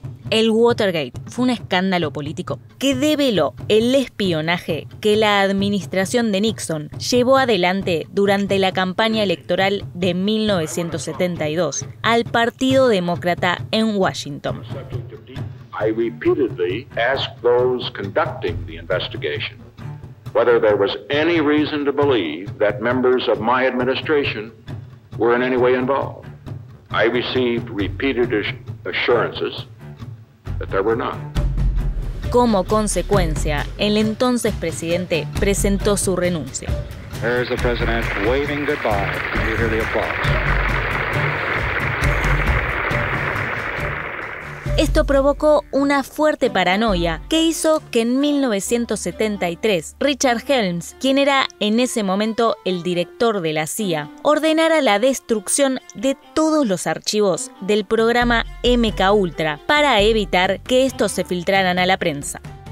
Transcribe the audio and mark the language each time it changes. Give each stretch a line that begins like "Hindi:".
Spanish: El Watergate fue un escándalo político que develó el espionaje que la administración de Nixon llevó adelante durante la campaña electoral de 1972 al Partido Demócrata en Washington.
English: I repeatedly asked those conducting the investigation whether there was any reason to believe that members of my administration were in any way involved. I received repeated assurances that there were not.
Spanish: Como consecuencia, el entonces presidente presentó su renuncia.
English: There's the president waving goodbye. Can you hear the applause?
Spanish: Esto provocó una fuerte paranoia que hizo que en 1973 Richard Helms, quien era en ese momento el director de la CIA, ordenara la destrucción de todos los archivos del programa MKUltra para evitar que estos se filtraran a la prensa.